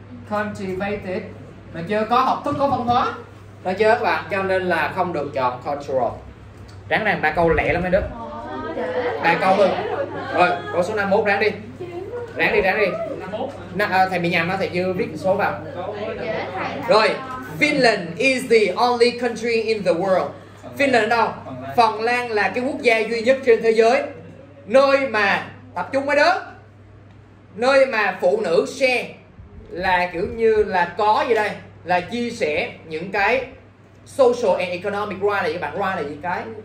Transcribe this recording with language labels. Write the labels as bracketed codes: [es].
[vi] Cultivated. Được chưa? Có học thức, có văn hóa. Được chưa các bạn? Cho nên là không được chọn cultural. Ráng này 3 câu lẹ lắm hay đứa. 3 câu thôi. Rồi, câu số 51 ráng đi. Ráng đi, ráng đi. 51. Thầy bị nhầm á, thầy chưa viết số vào. [en] Rồi, Finland is the only country in the world. [vi] Finland đâu? Phần Lan là cái quốc gia duy nhất trên thế giới. Nơi mà, tập trung mấy đứa. Nơi mà phụ nữ share là kiểu như là có gì đây? Là chia sẻ những cái [en] social and economic right [vi] là gì các bạn? Right là gì cái?